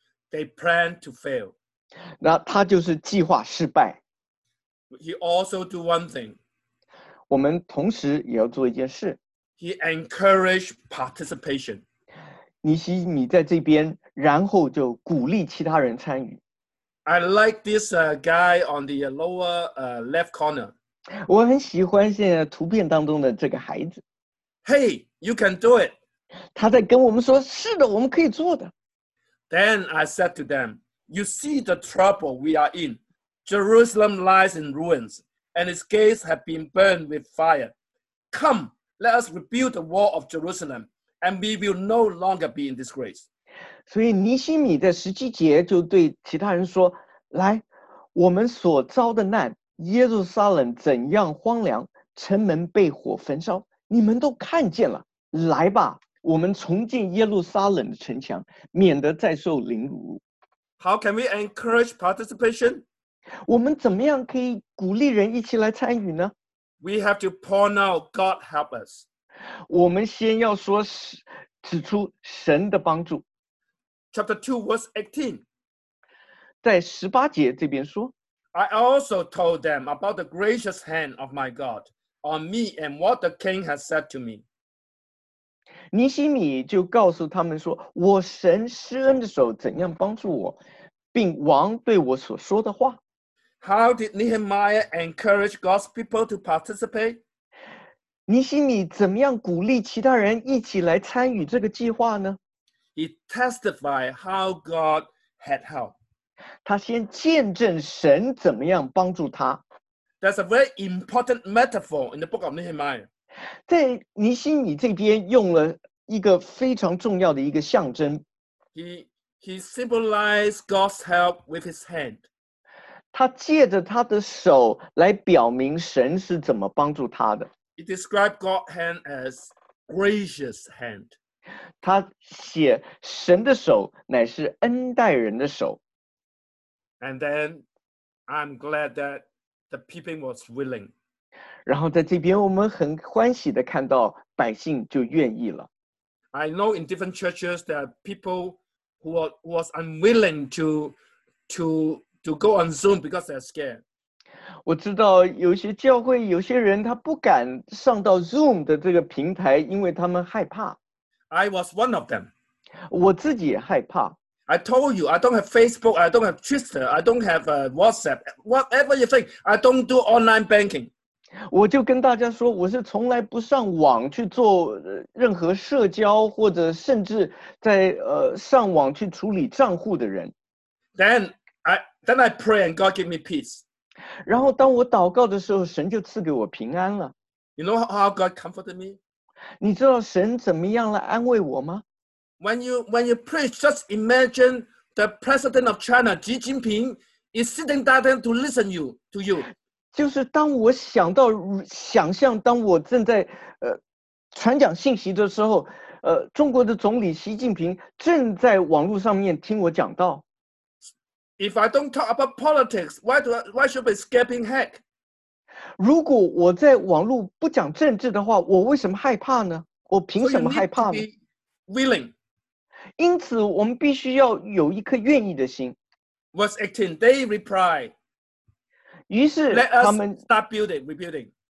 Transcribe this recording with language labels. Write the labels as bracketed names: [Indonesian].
[English] they plan to fail. [Chinese] 那他就是计划失败。 [English] He also do one thing. [Chinese] 我们同时也要做一件事。 [English] He encourage participation. [Chinese] 你在这边，然后就鼓励其他人参与。 [English] I like this guy on the lower left corner. [Chinese] 我很喜欢现在图片当中的这个孩子。 [English] Hey, you can do it. [Chinese] 他在跟我们说，是的，我们可以做的。 [English] Then I said to them, you see the trouble we are in. Jerusalem lies in ruins, and its gates have been burned with fire. Come, let us rebuild the wall of Jerusalem, and we will no longer be in disgrace. [Chinese] 所以尼希米在十七节就对其他人说，来，我们所遭的难，耶路撒冷怎样荒凉，城门被火焚烧。你们都看见了，来吧，我们重建耶路撒冷的城墙，免得再受凌辱。 [English] How can we encourage participation? [Chinese] 我们怎么样可以鼓励人一起来参与呢？ [English] We have to point out God help us. [Chinese] 我们先要说指出神的帮助。 [English] Chapter 2 verse 18. [Chinese] 在十八节这边说， [English] I also told them about the gracious hand of my God. On me and what the king has said to me. [Chinese] 尼希米就告诉他们说，我神施恩的手怎样帮助我，并王对我所说的话。 [English] How did Nehemiah encourage God's people to participate? [Chinese] 尼希米怎么样鼓励其他人一起来参与这个计划呢？ [English] He testified how God had helped. [Chinese] 他先见证神怎么样帮助他。 [English] That's a very important metaphor in the book of Nehemiah. [Chinese] 在尼希米这边用了一个非常重要的一个象征。 [English] He symbolized God's help with his hand. [Chinese] 他借着他的手来表明神是怎么帮助他的。 [English] He described God's hand as gracious hand. [Chinese] 他写神的手乃是恩待人的手。 [English] And then I'm glad that. The people was willing. [Chinese] 然后在这边我们很欢喜地看到百姓就愿意了。 [English] I know in different churches there are people who was unwilling to go on Zoom because they're scared. [Chinese] 我知道有些教会有些人他不敢上到 Zoom 的这个平台，因为他们害怕。 [English] I was one of them. [Chinese] 我自己也害怕。 [English] I told you, I don't have Facebook, I don't have Twitter, I don't have WhatsApp, whatever you think, I don't do online banking. [Chinese] 我就跟大家说，我是从来不上网去做任何社交，或者甚至在上网去处理账户的人。 [English] Then I pray and God give me peace. [Chinese] 然后当我祷告的时候，神就赐给我平安了。 [English] You know how God comforted me? [Chinese] 你知道神怎么样来安慰我吗？ [English] When you preach, just imagine the president of China, Xi Jinping, is sitting down to listen to you. [Chinese] 就是当我想到想象当我正在传讲信息的时候，中国的总理习近平正在网络上面听我讲道。 [English] If I don't talk about politics, why should I be scaring heck? [Chinese] 如果我在网络不讲政治的话，我为什么害怕呢？我凭什么害怕呢？ [English] So you need to be willing. [Chinese] 因此我们必须要有一颗愿意的心。 [English] Verse 18, they replied. [Chinese] 于是他们 [English] Let us start rebuilding.